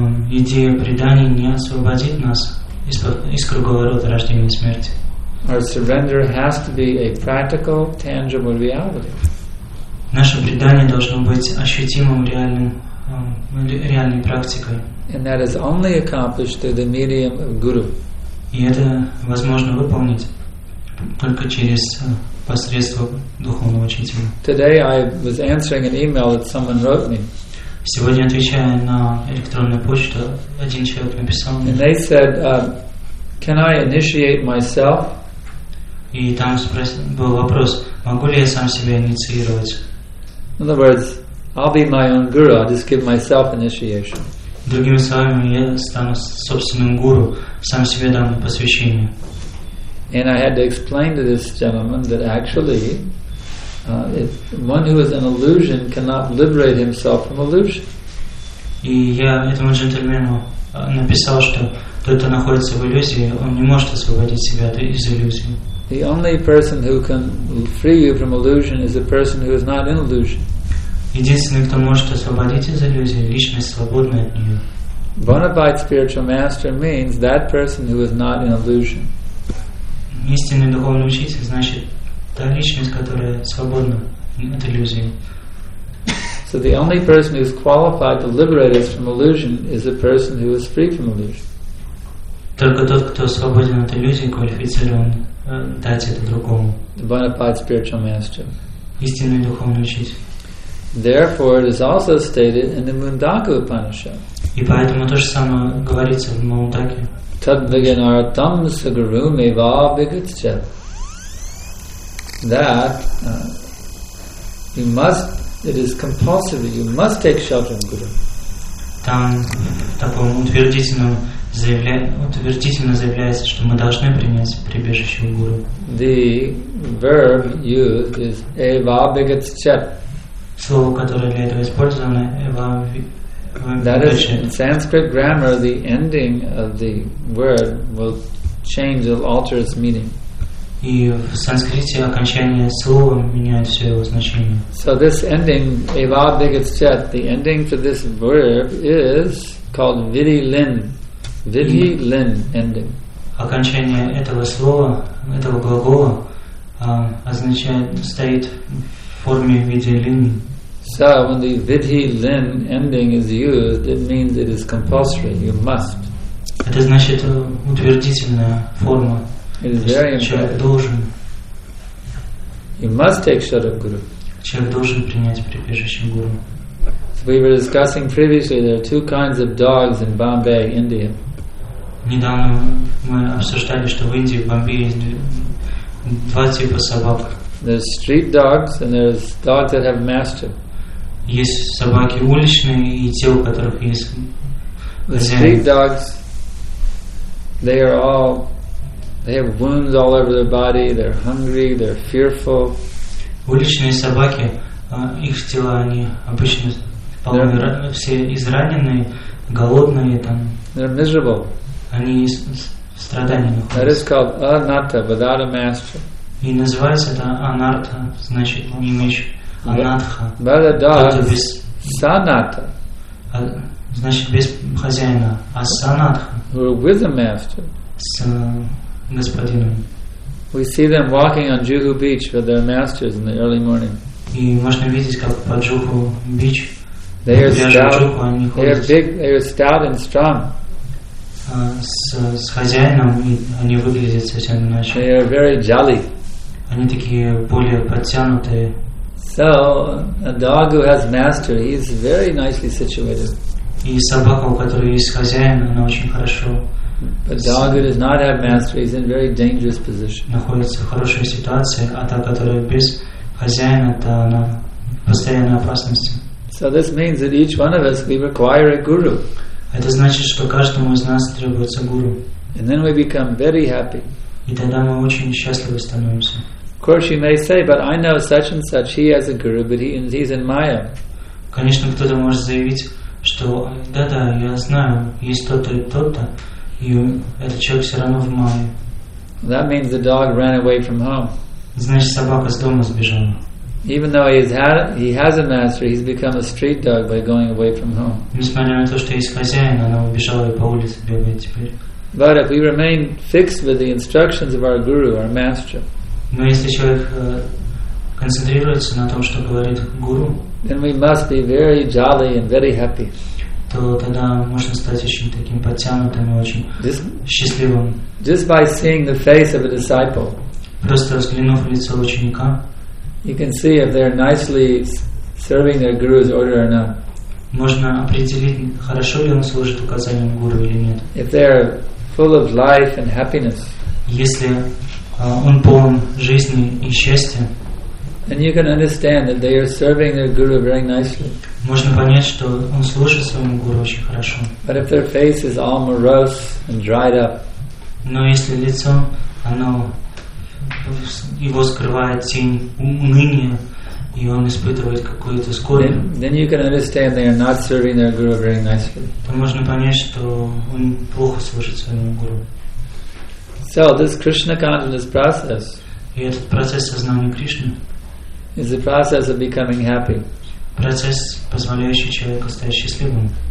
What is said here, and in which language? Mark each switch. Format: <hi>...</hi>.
<ru>Идея предания не освободит нас из круговорота рождения и смерти.</ru> <en>Our surrender has to be a practical, tangible reality.</en> <ru>Наше предание должно быть ощутимым, реальным, реальной практикой.</ru> <en>And that is only accomplished through the medium of guru.</en> <ru>И это возможно выполнить только через посредство духовного учителя.</ru> <en>Today I was answering an email that someone wrote me.</en> <ru>Сегодня отвечая на электронную почту, один человек написал мне.</ru> <en>And they said, can I initiate myself?</en> <ru>И там был вопрос, могу ли я сам себя инициировать?</ru> <en>In other words, I'll be my own guru, I'll just give myself initiation.</en> <ru>Другими словами, я стану собственным гуру, сам себе дам посвящение.</ru> <en>And I had to explain to this gentleman that actually if one who is an illusion cannot liberate himself from illusion.</en> <ru>И я этому джентльмену написал, что тот, кто находится в иллюзии, он не может освободить себя из иллюзии.</ru> <en>The only person who can free you from illusion is a person who is not in illusion.</en> <ru>Единственный, кто может освободить из иллюзии, личность свободная от нее.</ru> <en>Bonafide spiritual master means that person who is not in illusion.</en> <ru>Истинный духовный учитель значит та личность, которая свободна от иллюзии.</ru> <en>So the only person who is qualified to liberate us from illusion is a person who is free from illusion.</en> <ru>Только тот, кто свободен от иллюзии, квалифицирован дать это другому.</ru> <en>The bona fide spiritual master.</en> <ru>Истинный духовный учитель.</ru> <en>Therefore, it is also stated in the Mundaka Upanishad.</en> <ru>И поэтому то же самое говорится в Мундаке.</ru> <sa>Tadviganaratam saguru meva vigatcha.</sa> <en>That you must, it is compulsory, you must take shelter in Guru.</en> <ru>Там в таком утвердительно заявляется, что мы должны принять прибежище в Гуру.</ru> <en>The verb used is</en> <sa>eva vigatcha.</sa> <ru>Слово, которое для этого использовано,</ru> <sa>eva vigatcha.</sa> <en>That is, in Sanskrit grammar, the ending of the word will change, will alter its meaning.</en> <ru>И в санскрите окончание слова меняет все его значение.</ru> <en>So this ending,</en> <sa>eva vigatchet,</sa> <en>the ending for this verb is called vidilin. Vidilin ending.</en> <ru>Окончание этого слова, этого глагола, означает, стоит в форме vidilin.</ru> <en>So when the vidhi lin ending is used, it means it is compulsory. You must.</en> <ru>Это значит утвердительная форма.</ru> <en>It is very important.</en> <ru>Человек должен.</ru> <en>You must take shelter of guru.</en> <ru>Человек должен принять прибежище гуру.</ru> <en>So we were discussing previously there are two kinds of dogs in Bombay, India.</en> <ru>Недавно мы обсуждали, что в Индии, в Бомбее, есть два типа собак.</ru> <en>There's street dogs and there's dogs that have mastiff.</en> <ru>Есть собаки уличные и те, у которых есть хозяин.</ru> <en>Street dogs, they are all, they have wounds all over their body, they're hungry, they're fearful.</en> <ru>Уличные собаки, их тела, они обычно полны, все израненные, голодные там.</ru> <en>They're miserable.</en> <ru>Они в страдании находятся.</ru> <en>That is called anatta, without a master.</en> <ru>И называется это анарта, значит, не меч.</ru> <en>But a dog is sanatha.</en> <ru>Значит, без хозяина. А санатха.</ru> <en>We're with the master.</en> <ru>С господином.</ru> <en>We see them walking on Juhu Beach with their masters in the early morning.</en> <ru>И можно видеть, как по Juhu Beach.</ru> <en>They are stout. They are big. They are stout and strong.</en> <ru>С хозяином они выглядят совсем иначе.</ru> <en>They are very jolly.</en> <ru>Они такие более подтянутые.</ru> <en>So, a dog who has master, he is very nicely situated.</en> <ru>И собака, у которой есть хозяин, она очень хорошо.</ru> <en>But dog who does not have master, he's in a very dangerous position.</en> <ru>Находится в хорошей ситуации, а та, которая без хозяина, то она в постоянной опасности.</ru> <en>So this means that each one of us, we require a guru.</en> <ru>Это значит, что каждому из нас требуется гуру.</ru> <en>And then we become very happy.</en> <ru>И тогда мы очень счастливы становимся.</ru> <en>Of course, you may say, but I know such and such. He has a guru, but he's in Maya.</en> <ru>Конечно, кто-то может заявить, что да-да, я знаю, есть тот-то и тот-то, и этот человек все равно в Майе.</ru> <en>That means the dog ran away from home.</en> <ru>Значит, собака с дома сбежала.</ru> <en>Even though he has a master, he's become a street dog by going away from home.</en> <ru>Несмотря на то, что есть хозяин, она убежала и по улице бегает теперь.</ru> <en>But if we remain fixed with the instructions of our guru, our master.</en> <ru>Но если человек концентрируется на том, что говорит гуру,</ru> <en>then we must be very jolly and very happy.</en> <ru>То тогда можно стать очень таким подтянутым и очень счастливым.</ru> <en>Just by seeing the face of a disciple,</en> <ru>просто взглянув в лицо ученика,</ru> <en>you can see if they're nicely serving their guru's order or not.</en> <ru>Можно определить, хорошо ли он служит указаниям гуру или нет.</ru> <en>If they are full of life and happiness,</en> <ru>если он полон жизни и счастья.</ru> <en>And you can understand that they are serving their guru very nicely.</en> <ru>Можно понять, что он служит своему гуру очень хорошо.</ru> <en>But if their face is all morose and dried up.</en> <ru>Но если лицо, оно его скрывает тень уныния, и он испытывает какую-то скорбь.</ru> <en>Then you can understand they are not serving their guru very nicely.</en> <ru>То можно понять, что он плохо служит своему гуру.</ru> <en>So this Krishna consciousness process,</en> <ru>и этот процесс сознания Кришны, is the process of becoming happy. Процесс, позволяющий человеку стать счастливым.</ru>